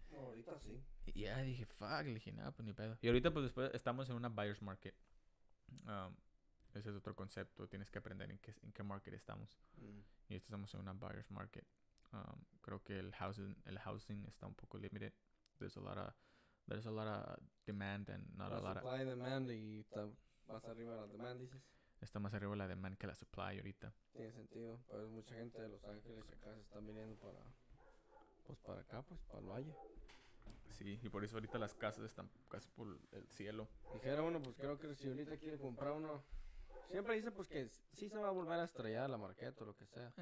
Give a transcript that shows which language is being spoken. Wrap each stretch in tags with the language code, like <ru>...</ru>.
<es>Ahorita sí. Ya, yeah, dije, fuck, le dije, nada, pues ni pedo. Y ahorita, pues después, estamos en una buyer's market. Ese es otro concepto, tienes que aprender en qué market estamos. Mm. Y estamos en una buyer's market. Creo que el housing está un poco limited.</es> <en>There's a lot of demand and not a lot of...</en> <es>Supply demand y está más arriba de la demand, dices. Está más arriba de la demand que la supply ahorita. Tiene sentido, pero mucha gente de Los Ángeles acá se están viniendo para acá, para el valle. Sí, y por eso ahorita las casas están casi por el cielo. Dijera uno, pues creo que si ahorita quiere comprar uno, Siempre dice pues que sí se va a volver a estrellar la marqueta o lo que sea.</es>